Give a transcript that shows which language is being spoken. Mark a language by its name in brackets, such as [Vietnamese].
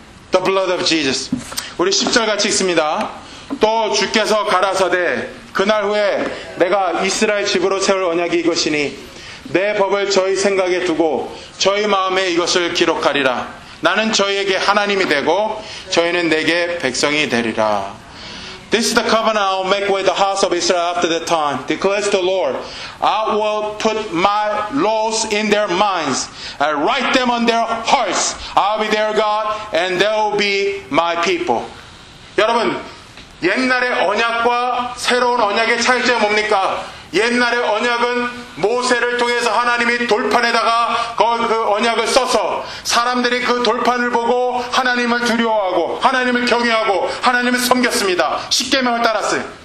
[English] The blood of Jesus. [Korean] 우리 10절 같이 읽습니다. 또 주께서 가라사대 그날 후에 내가 이스라엘 집으로 세울 언약이 이것이니 내 법을 저희 생각에 두고 저희 마음에 이것을 기록하리라. 나는 저희에게 하나님이 되고 저희는 내게 백성이 되리라. [English] This is the covenant I will make with the house of Israel after that time, declares the Lord. I will put my laws in their minds and write them on their hearts. I'll be their God and they'll be my people. [Korean] 여러분 옛날의 언약과 새로운 언약의 차이점이 뭡니까? 옛날의 언약은 모세를 통해서 하나님이 돌판에다가 그 언약을 써서 사람들이 그 돌판을 보고 하나님을 두려워하고 하나님을 경외하고 하나님을 섬겼습니다. 십계명을 따랐어요.